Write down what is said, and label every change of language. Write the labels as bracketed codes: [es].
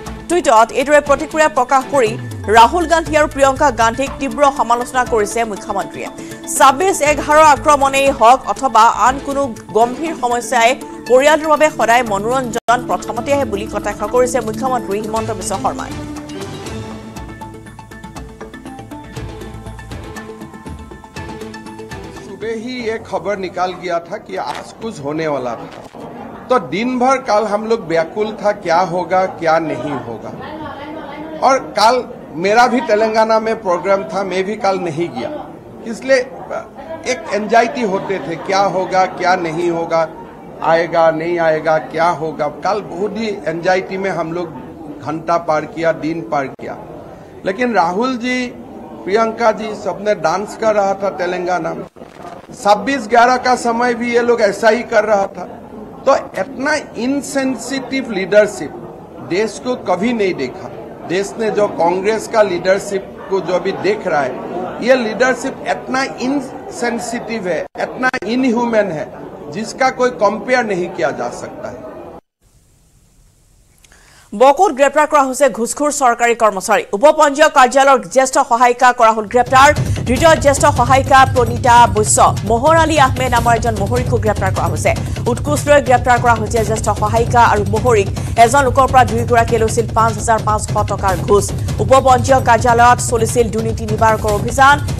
[as] টুইটাৰত এইদৰে প্ৰতিক্ৰিয়া প্ৰকাশ কৰি ৰাহুল গান্ধী আৰু প্ৰিয়ংকা গান্ধীক তীব্ৰ সমালোচনা কৰিছে মুখ্যমন্ত্ৰীয়ে 26/11 আক্ৰমণেই হওক অথবা আন কোনো গম্ভীৰ সমস্যাই পৰিয়ালৰ বাবে সদায় মনোৰঞ্জন প্ৰথমতে আহে বুলি কটাক্ষ কৰিছে মুখ্যমন্ত্ৰী হিমন্ত বিশ্ব শৰ্মাই [hi] सुबह ही एक खबर निकाल गया था कि आज कुछ होने वाला था तो दिन भर कल हम लोग व्याकुल था क्या होगा क्या नहीं होगा और कल मेरा भी तेलंगाना में प्रोग्राम था मैं भी कल नहीं गया इसलिए एक एंजाइटी होते थे क्या होगा क्या नहीं होगा आएगा नहीं आएगा क्या होगा कल बहुत ही एंजाइटी में हम लोग घंटा पार किया दिन पार किया लेकिन राहुल जी प्रियंका जी सबने डांस कर रहा था तेलंगाना में 26/11 का समय भी ये लोग ऐसा ही कर रहा था तो इतना इनसेंसिटिव लीडरशिप देश को कभी नहीं देखा देश ने जो कांग्रेस का लीडरशिप को जो अभी देख रहा है ये लीडरशिप इतना इनसेंसिटिव है इतना इनह्यूमन है जिसका कोई कंपेयर नहीं किया जा सकता है [as] বকুত গ্ৰেপ্তাৰ কৰা হৈছে ঘুষখোৰ চৰকাৰী কৰ্মচাৰী উপপঞ্জীয় কাৰ্যালয়ৰ জ্যেষ্ঠ সহায়িকা কৰা হ'ল গ্ৰেপ্তাৰ দ্বিতীয় জ্যেষ্ঠ সহায়িকা প্ৰণীতা বৈশ্য মোহৰ আলী আহমেদ নামৰ এজন মোহৰীকো গ্ৰেপ্তাৰ কৰা হৈছে উৎকোচলৈ গ্ৰেপ্তাৰ কৰা হৈছে জ্যেষ্ঠ সহায়িকা আৰু মোহৰীক এজন লোকৰ পৰা দুয়োগৰাকীয়ে লৈছিল 5,500 টকাৰ ঘোষ উপপঞ্জীয় কাৰ্যালয়ত চলিছিল দুৰ্নীতি নিবাৰকৰ অভিযান